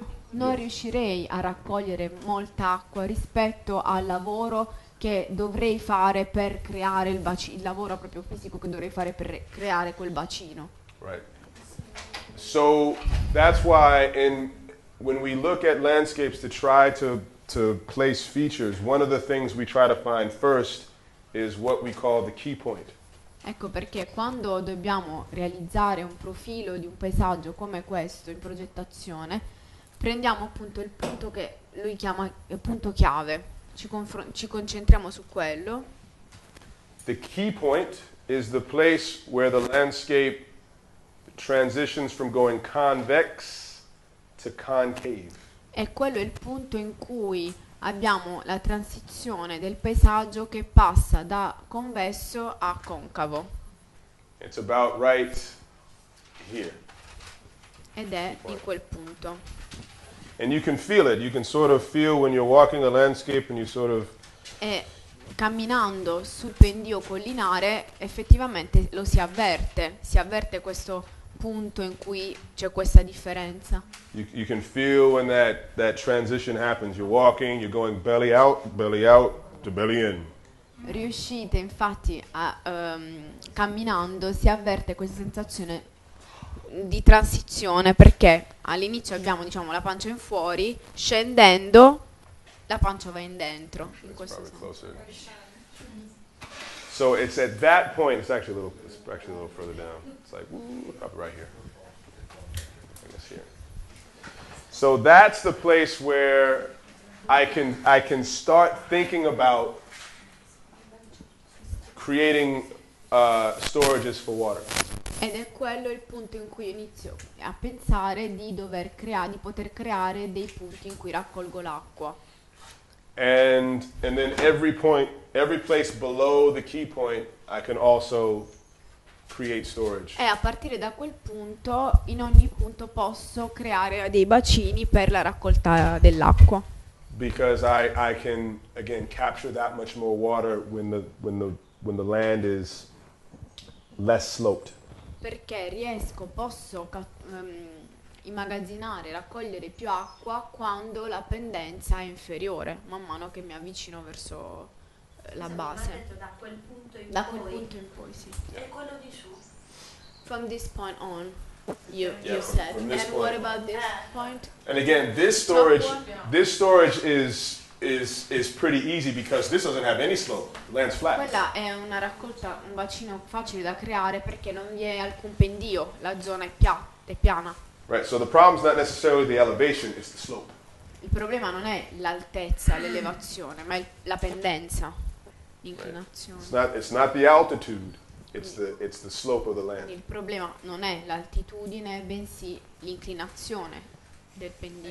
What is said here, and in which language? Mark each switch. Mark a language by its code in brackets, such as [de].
[it] non riuscirei a raccogliere molta acqua rispetto al lavoro che dovrei fare per creare il bacino, il lavoro proprio fisico che dovrei fare per creare quel bacino. [en] Right. So that's why in when we look at landscapes to try to place features, one of the things we try to find first is what we call the key point. [it] Ecco perché quando dobbiamo realizzare un profilo di un paesaggio come questo in progettazione, prendiamo appunto il punto che lui chiama punto chiave. Ci concentriamo su quello. [en] The key point is the place where the landscape transitions from going convex to concave. [it] E quello è il punto in cui abbiamo la transizione del paesaggio che passa da convesso a concavo. [en] It's about right here. [it] Ed è in quel punto. [en] And you can feel it. You can sort of feel when you're walking the landscape and you sort of. [it] E camminando sul pendio collinare, effettivamente lo si avverte. Si avverte questo punto in cui c'è questa differenza. [en] You can feel when that transition happens. You're walking, you're going belly out to belly in. [it] Riuscite infatti a camminando si avverte questa sensazione di transizione, perché all'inizio abbiamo, diciamo, la pancia in fuori, scendendo la pancia va in dentro. In questo [en] so it's at that point, it's actually a little further down. It's like, woo, right here. I guess here. So that's the place where I can start thinking about creating storages for water. [it] Ed è quello il punto in cui inizio a pensare di dover creare, di poter creare dei punti in cui raccolgo l'acqua. [en] And then every point, every place below the key point, I can also create storage. [it] E a partire da quel punto, in ogni punto posso creare dei bacini per la raccolta dell'acqua. [en] Because I can again capture that much more water when the land is less sloped. [it] Perché riesco, posso immagazzinare, raccogliere più acqua quando la pendenza è inferiore, man mano che mi avvicino verso la base. Da quel punto in poi, sì. E quello di su? [en] From this point on, you said. And what about this point? And again, this storage is pretty easy because this doesn't have any slope. The land's flat. [it] Quella è una raccolta, un bacino facile da creare perché non vi è alcun pendio, la zona è piana. [en] Right, so the problem's not necessarily the elevation, it's the slope. [it] Il problema non è l'altezza, l'elevazione, ma la pendenza, l'inclinazione. [en] Right. It's not the altitude, it's the slope of the land. [it] Quindi il problema non è l'altitudine, bensì l'inclinazione del pendio.